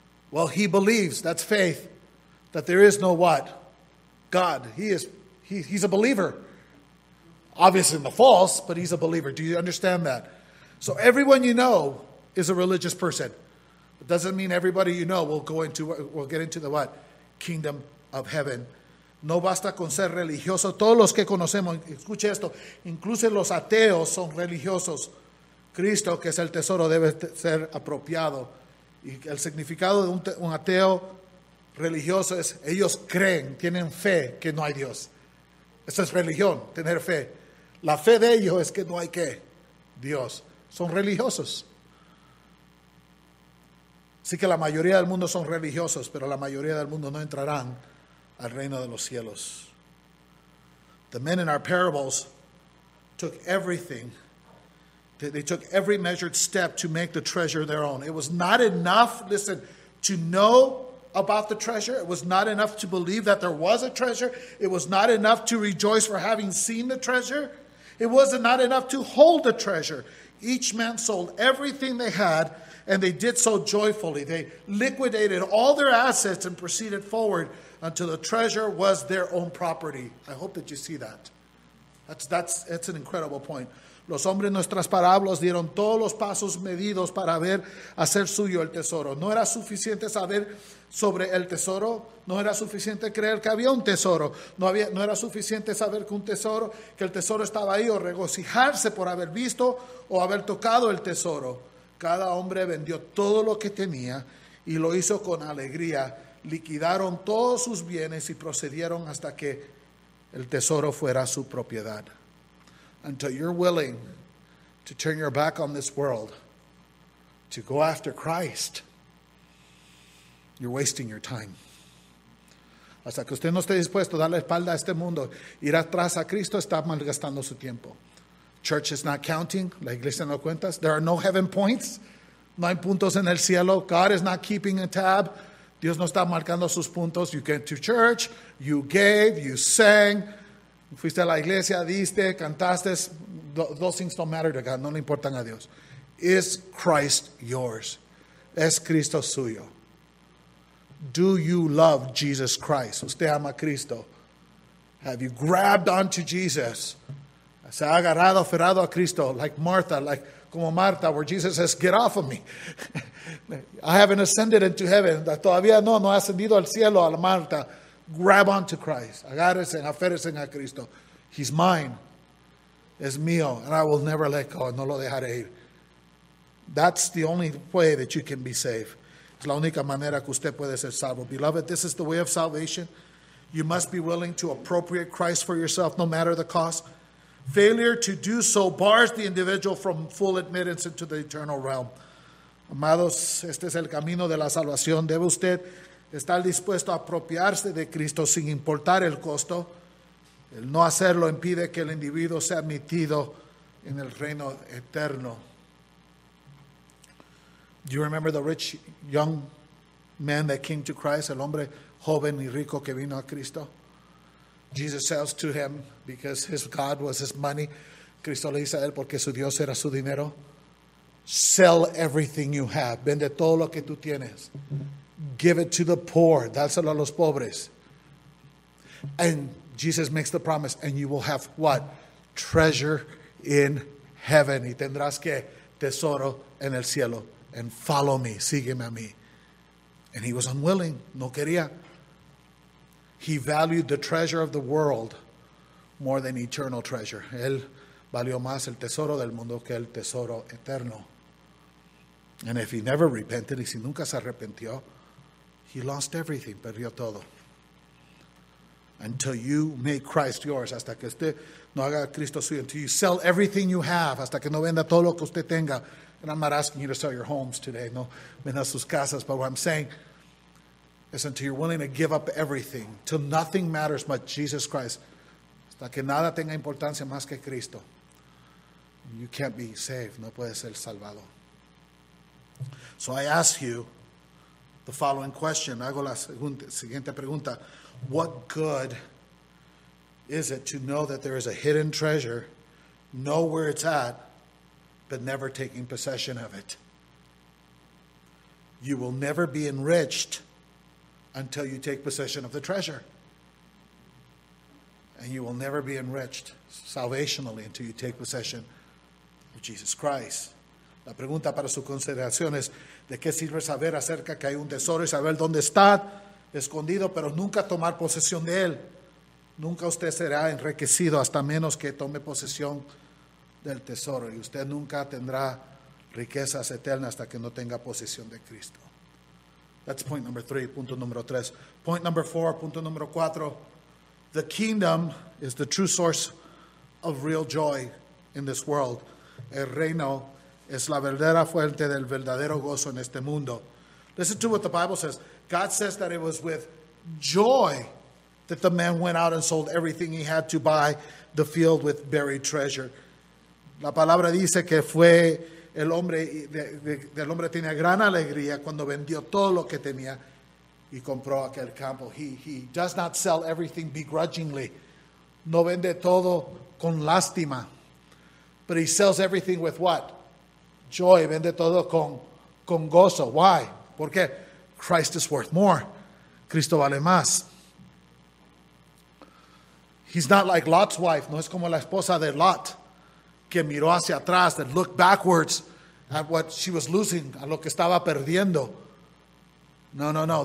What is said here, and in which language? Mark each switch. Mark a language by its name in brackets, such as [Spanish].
[English] Well, he believes, that's faith, that there is no what? God. He's a believer. Obviously in the false, but he's a believer. Do you understand that? So everyone you know is a religious person. It doesn't mean everybody you know will get into the what? Kingdom of heaven. [Spanish] No basta con ser religioso. Todos los que conocemos, escuche esto, incluso los ateos son religiosos. Cristo, que es el tesoro, debe ser apropiado. Y el significado de un ateo religioso es ellos creen, tienen fe que no hay Dios. Eso es religión, tener fe. La fe de ellos es que no hay qué, Dios. Son religiosos. Así que la mayoría del mundo son religiosos, pero la mayoría del mundo no entrarán al reino de los cielos. [English] The men in our parables took everything. They took every measured step to make the treasure their own. It was not enough, listen, to know about the treasure. It was not enough to believe that there was a treasure. It was not enough to rejoice for having seen the treasure. It was not enough to hold the treasure. Each man sold everything they had, and they did so joyfully. They liquidated all their assets and proceeded forward until the treasure was their own property. I hope that you see that. That's an incredible point. [Spanish] Los hombres en nuestras parábolas dieron todos los pasos medidos para ver hacer suyo el tesoro. No era suficiente saber sobre el tesoro. No era suficiente creer que había un tesoro. No era suficiente saber que el tesoro estaba ahí o regocijarse por haber visto o haber tocado el tesoro. Cada hombre vendió todo lo que tenía y lo hizo con alegría. Liquidaron todos sus bienes y procedieron hasta que el tesoro fuera su propiedad. [English] Until you're willing to turn your back on this world to go after Christ, you're wasting your time. [Spanish] Hasta que usted no esté dispuesto a darle espalda a este mundo, ir atrás a Cristo, está malgastando su tiempo. [English] Church is not counting. [Spanish] La iglesia no cuenta. [English] There are no heaven points. [Spanish] No hay puntos en el cielo. [English] God is not keeping a tab. [Spanish] Dios no está marcando sus puntos. [English] You came to church, you gave, you sang. [Spanish] Fuiste a la iglesia, diste, cantaste. [English] Those things don't matter to God. [Spanish] No le importan a Dios. [English] Is Christ yours? [Spanish] Es Cristo suyo. [English] Do you love Jesus Christ? [Spanish] Usted ama a Cristo. [English] Have you grabbed onto Jesus? [Spanish] Se ha agarrado, aferrado a Cristo, [English] like Martha, like [Spanish] como Martha, [English] where Jesus says, get off of me. I haven't ascended into heaven. [Spanish] Todavía no ha ascendido al cielo, a la Martha. [English] Grab onto Christ. [Spanish] Agárrese, aférrese a Cristo. [English] He's mine. [Spanish] Es mío. [English] And I will never let go. [Spanish] No lo dejaré ir. [English] That's the only way that you can be saved. [Spanish] Es la única manera que usted puede ser salvo. [English] Beloved, this is the way of salvation. You must be willing to appropriate Christ for yourself, no matter the cost. Failure to do so bars the individual from full admittance into the eternal realm. [Spanish] Amados, este es el camino de la salvación. Debe usted estar dispuesto a apropiarse de Cristo sin importar el costo. El no hacerlo impide que el individuo sea admitido en el reino eterno. [English] Do you remember the rich young man that came to Christ? [Spanish] El hombre joven y rico que vino a Cristo. [English] Jesus says to him, because his God was his money. [Spanish] Cristo le dice a él, porque su Dios era su dinero. [English] Sell everything you have. [Spanish] Vende todo lo que tú tienes. [English] Give it to the poor. [Spanish] Dáselo a los pobres. [English] And Jesus makes the promise, and you will have what? Treasure in heaven. [Spanish] Y tendrás que tesoro en el cielo. [English] And follow me. [Spanish] Sígueme a mí. [English] And he was unwilling. [Spanish] No quería. [English] He valued the treasure of the world more than eternal treasure. [Spanish] Él valió más el tesoro del mundo que el tesoro eterno. [English] And if he never repented, [Spanish] y si nunca se arrepintió, [English] he lost everything, [Spanish] perdió todo. [English] Until you make Christ yours, [Spanish] hasta que usted no haga Cristo suyo, [English] until you sell everything you have, [Spanish] hasta que no venda todo lo que usted tenga. [English] And I'm not asking you to sell your homes today, [Spanish] no venda sus casas, [English] but what I'm saying, it's until you're willing to give up everything, till nothing matters but Jesus Christ. [Spanish] Hasta que nada tenga importancia más que Cristo. [English] You can't be saved. [Spanish] No puedes ser salvado. [English] So I ask you the following question. [Spanish] Hago la siguiente pregunta. [English] What good is it to know that there is a hidden treasure, know where it's at, but never taking possession of it? You will never be enriched until you take possession of the treasure. And you will never be enriched salvationally until you take possession of Jesus Christ. [Spanish] La pregunta para su consideración es, ¿de qué sirve saber acerca que hay un tesoro y saber dónde está escondido, pero nunca tomar posesión de él? Nunca usted será enriquecido hasta menos que tome posesión del tesoro. Y usted nunca tendrá riquezas eternas hasta que no tenga posesión de Cristo. [English] That's point number three, [Spanish] punto número tres. [English] Point number four, [Spanish] punto número cuatro. [English] The kingdom is the true source of real joy in this world. [Spanish] El reino es la verdadera fuente del verdadero gozo en este mundo. [English] Listen to what the Bible says. God says that it was with joy that the man went out and sold everything he had to buy the field with buried treasure. [Spanish] La palabra dice que fue... El hombre, del hombre tenía gran alegría cuando vendió todo lo que tenía y compró aquel campo. [English] He does not sell everything begrudgingly. [Spanish] No vende todo con lástima. [English] But he sells everything with what? Joy. [Spanish] Vende todo con gozo. [English] Why? [Spanish] Porque [English] Christ is worth more. [Spanish] Cristo vale más. [English] He's not like Lot's wife. [Spanish] No es como la esposa de Lot, que miró hacia atrás, [English] that looked backwards at what she was losing, [Spanish] a lo que estaba perdiendo. No.